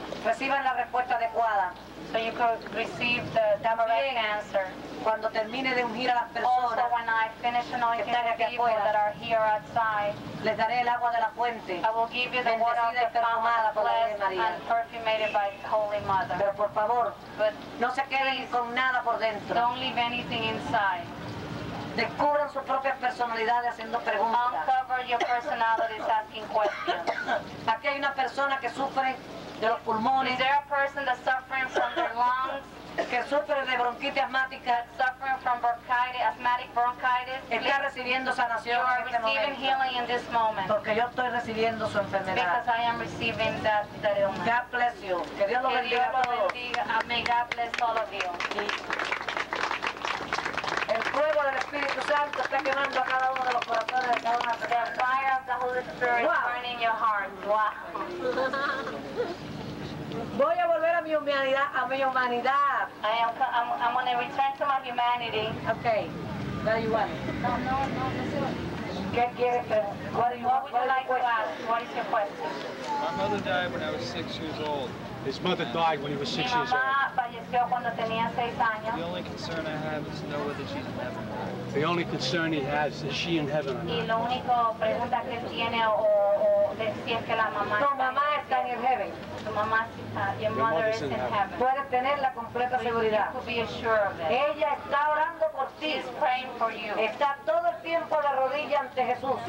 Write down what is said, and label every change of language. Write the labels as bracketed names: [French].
[Spanish] Reciban la respuesta adecuada. [English] So you could receive the correct answer. [Spanish] Cuando termine de ungir a las personas. [English] Also when I finish anointing the people that are here outside. [Spanish] Les daré el agua de la fuente. [English] I will give you the water of the fountain perfumed by Holy Mother. [Spanish] Pero por favor, no se queden con nada por dentro. [English] Don't leave anything inside. [Spanish] Descubran sus propias personalidades haciendo preguntas. [English] Uncover your personalities asking questions. [Spanish] Aquí hay una persona que sufre de los pulmones. [English] Is there a person that's suffering from their lungs? [Spanish] Que sufre de bronquitis asmática. [English] Suffering from bronchitis, asthmatic bronchitis. [Spanish] Está recibiendo sanación en este momento. [English] You are receiving healing in this moment. [Spanish] Porque yo estoy recibiendo su enfermedad. [English] Because I am receiving that illness. God bless you. [Spanish] Que Dios lo bendiga a todos. [English] May God bless all of you. [Spanish] El fuego del Espíritu Santo está quemando a cada uno de los corazones de cada una de [English] the fire of the Holy Spirit is burning your heart. [Spanish] Voy a volver a mi humanidad, [English] I'm going to return to my humanity. Okay. What do you want? [Spanish] No. ¿Qué quieres? [English] What is your question? My mother died when I was 6 years old. His mother died when he was 6 years old. [Spanish] Falleció cuando tenía 6 años. [English] The only concern I have is to know whether she's in heaven. The only concern he has is she in heaven or not. [Spanish] Y lo único pregunta que tiene o de si es que la mamá. Tu mamá está en el heaven. Tu mamá está. [English] Your mother is in heaven. [Spanish] Puedes tener la completa seguridad. [English] You could be sure of it. [Spanish] Ella está orando por ti. [English] She's praying for you. [Spanish] Está todo el tiempo de rodillas ante Jesús.